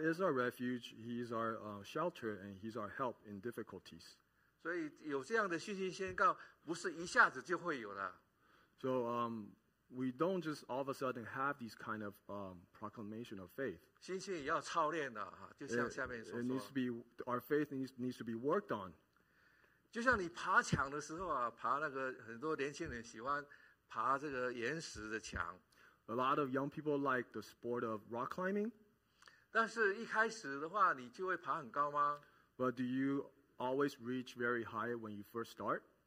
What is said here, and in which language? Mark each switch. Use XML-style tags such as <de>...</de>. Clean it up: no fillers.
<en>is our refuge, He is our shelter, and He's our help in difficulties.</en> <zh>所以有这样的信心宣告，不是一下子就会有了。</zh> <en>So we don't just all of a sudden have these kind of proclamation of faith.</en> <zh>信心也要操练的，就像下面所说。</zh> <en>It needs to be our faith needs to be worked on.</en> <zh>就像你爬墙的时候啊，爬那个很多年轻人喜欢爬这个岩石的墙。</zh> <en>A lot of young people like the sport of rock climbing.</en> <zh>但是一开始的话，你就会爬很高吗？</zh> <en>But do you always reach very high when you first start?</en>